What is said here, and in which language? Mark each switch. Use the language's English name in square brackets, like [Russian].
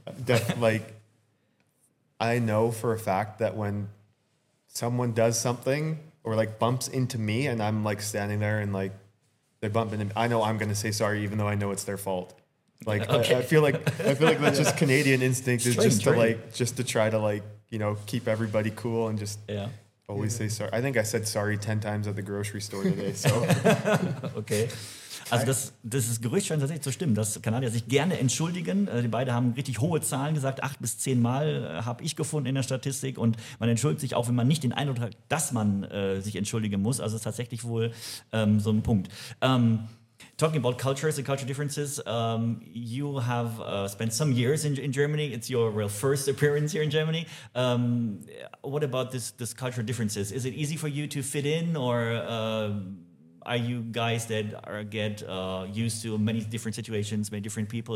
[English] I mean, I know for a fact that when someone does something or like bumps into me and I'm like standing there and like they're bumping into me, I know I'm going to say sorry, even though I know it's their fault. Like, okay. I feel like that's just Canadian instinct is to try to you know, keep everybody cool and just always say sorry. I think I said sorry 10 times at the grocery store today. So. Okay. [German] Also das Gerücht scheint tatsächlich zu stimmen, dass Kanadier sich gerne entschuldigen. Die beiden haben richtig hohe Zahlen gesagt. 8 bis 10 Mal habe ich gefunden in der Statistik. Und man entschuldigt sich auch, wenn man nicht den Eindruck hat, dass man sich entschuldigen muss. Also ist tatsächlich wohl so ein Punkt. [English] Talking about cultures and cultural differences, you have spent some years in Germany. It's your real first appearance here in Germany. What about this cultural differences? Is it easy for you to fit in, or are you guys that get used to many different situations, many different people?